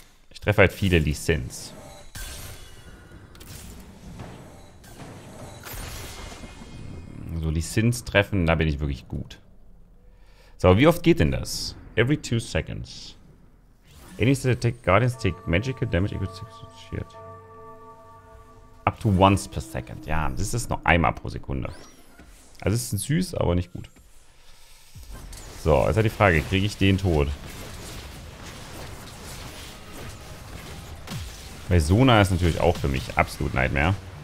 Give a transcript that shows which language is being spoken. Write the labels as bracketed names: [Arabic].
[German] Ich treffe halt viele Lee Sins. So, Lee Sins treffen, da bin ich wirklich gut. So, wie oft geht denn das? [English] Every 2 seconds. Enemies that attack guardians take magical damage shield. Up to once per second. [German] Ja, das ist nur einmal pro Sekunde. Also es ist süß, aber nicht gut. So, jetzt hat die Frage, kriege ich den tot? Bei Sona ist natürlich auch für mich absolut Nightmare.